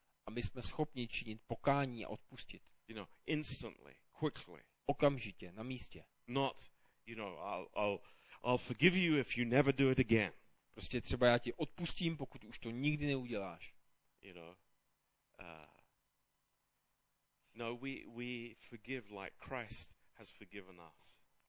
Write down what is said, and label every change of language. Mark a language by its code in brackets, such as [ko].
[cs] A my jsme schopni činit pokání a odpustit. [en] You know, instantly, quickly. [cs] Okamžitě, na místě. [en] Not, you know, I'll forgive you if you never do it again. [cs] Prostě třeba já ti odpustím, pokud už to nikdy neuděláš. [en] You know, No, we forgive like Christ has forgiven us.